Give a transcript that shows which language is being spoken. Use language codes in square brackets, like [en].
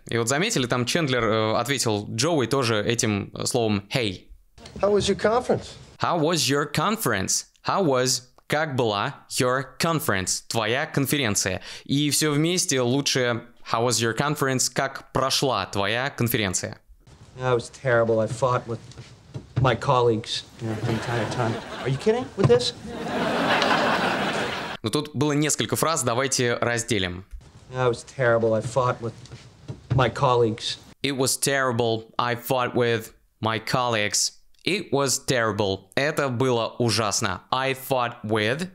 [ru] И вот заметили, там Чендлер ответил Джоуи тоже этим словом «Hey». [en] How was your conference? How was your conference? How was... [ru] Как была [en] your conference? [ru] Твоя конференция. И все вместе лучше... [en] How was your conference? [ru] Как прошла твоя конференция? [en] Yeah, it was terrible. I fought with my colleagues, you know, the entire time. Are you kidding with this? [ru] Ну тут было несколько фраз, давайте разделим. [en] Yeah, it was terrible. I fought with my colleagues. It was terrible. I fought with my colleagues. It was terrible. [ru] Это было ужасно. [en] I fought with.